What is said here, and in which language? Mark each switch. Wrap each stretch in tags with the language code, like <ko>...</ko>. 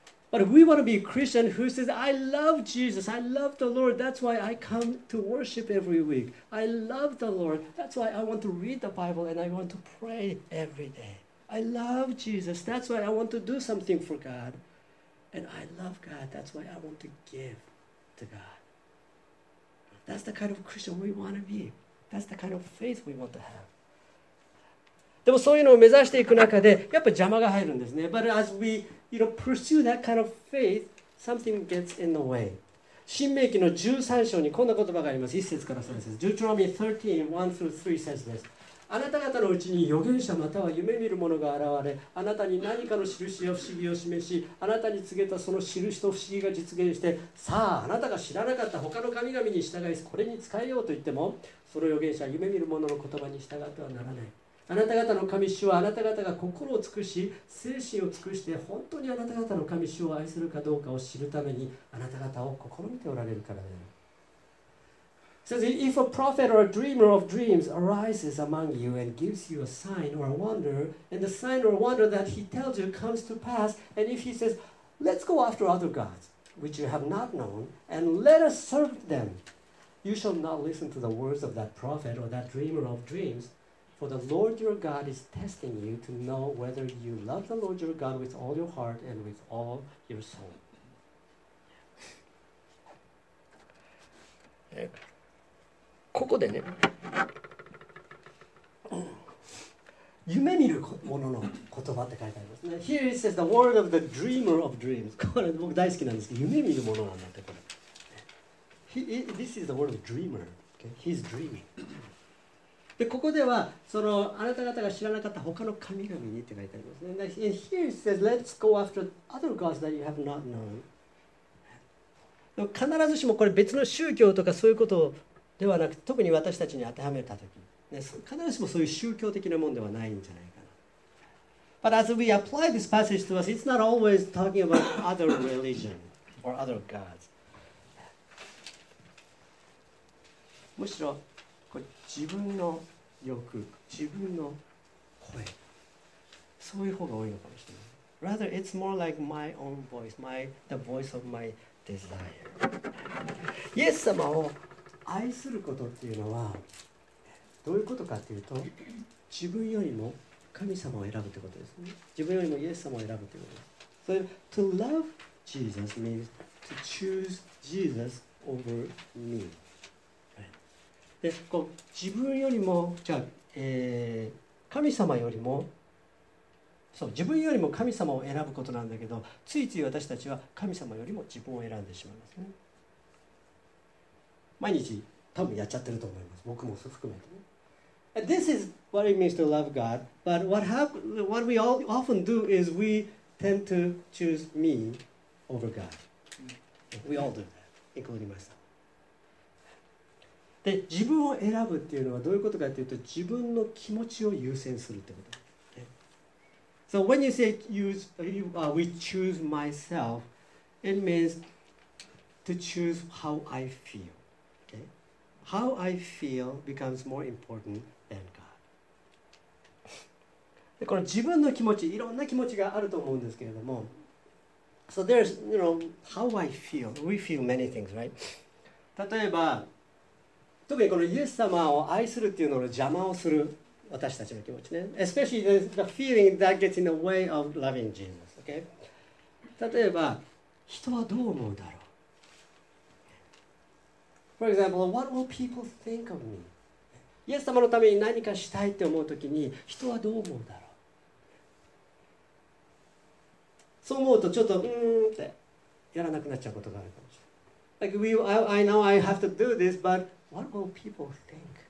<en>But we want to be a Christian who says, I love Jesus, I love the Lord, that's why I come to worship every week. I love the Lord, that's why I want to read the Bible and I want to pray every day. I love Jesus, that's why I want to do something for God. And I love God, that's why I want to give to God. That's the kind of Christian we want to be. That's the kind of faith we want to have.</en> <ja>でもそういうのを目指していく中で、やっぱり邪魔が入るんですね。</ja> <en>But as we, you know, pursue that kind of faith, something gets in the way.</en> <ja>申命記の13章にこんな言葉があります。1節から3節。</ja> <en>Deuteronomy 13, 1 through 3 says this.</en> <ja>あなた方のうちに預言者または夢見る者が現れ、あなたに何かの印や不思議を示し、あなたに告げたその印と不思議が実現して、さあ、あなたが知らなかった他の神々に従い、これに使えようと言っても、その預言者は夢見る者の言葉に従ってはならない。あなた方の神主はあなた方が心を尽くし精神を尽くして本当にあなた方の神主を愛するかどうかを知るためにあなた方を試みておられるからである。</ja> <en>Says if a prophet or a dreamer of dreams arises among you and gives you a sign or a wonder, and the sign or wonder that he tells you comes to pass, and if he says, let's go after other gods which you have not known and let us serve them, you shall not listen to the words of that prophet or that dreamer of dreams. For the Lord your God is testing you to know whether you love the Lord your God with all your heart and with all your soul.</en> <ja>ここでね、夢見るものの言葉って書いてありますね。</ja> <en>Here it says the word of the dreamer of dreams.</en> <ja>これ僕大好きなんですけど、夢見るものなんだってこれ。</ja> <en>This is the word of dreamer. Okay? He's dreaming.</en> <ja>でここではそのあなた方が知らなかった他の神々にって書いてありますね。</ja> <en>And here it says, let's go after other gods that you have not known.</en> <ja>必ずしもこれ別の宗教とかそういうことではなく、特に私たちに当てはめたとき、ね、必ずしもそういう宗教的なものではないんじゃないかな。</ja> <en>But as we apply this passage to us, it's not always talking about other religion or other gods.</en> <ja>むしろ自分の欲、自分の声、そういう方が多いのかもしれない。</ja> <en>Rather, it's more like my own voice, the voice of my desire.</en> <ja>イエス様を愛することっていうのは、どういうことかっていうと、自分よりも神様を選ぶということですね。自分よりもイエス様を選ぶということです。</ja> <en>So, to love Jesus means to choose Jesus over me.</en> <ja>でこう自分よりも、じゃあ、神様よりも、そう、自分よりも神様を選ぶことなんだけど、ついつい私たちは神様よりも自分を選んでしまいますね。毎日、多分やっちゃってると思います。僕も含めてね。</ja> <en>And this is what it means to love God, but what we all often do is we tend to choose me over God. We all do that, including myself.</en> <ja>で自分を選ぶっていうのはどういうことかっていうと、自分の気持ちを優先するってこと。</ja> <en>So when you say we choose myself, it means to choose how I feel. Okay? How I feel becomes more important than God.</en> <ja>でこの自分の気持ち、いろんな気持ちがあると思うんですけれども、</ja> <en>So there's, you know, how I feel. We feel many things, right?</en> <ja>例えば、特にこのイエス様を愛するっていうのを邪魔をする私たちの気持ちね。</ja> <en>Especially the feeling that gets in the way of loving Jesus. Okay?</en> <ja>例えば、人はどう思うだろう?</ja> <en>For example, what will people think of me?</en> <ja>イエス様のために何かしたいって思うときに、人はどう思うだろう? そう思うとちょっと、ってやらなくなっちゃうことがあるかもしれない。</ja> <en>Like, I know I have to do this, butWhat will people think?</en>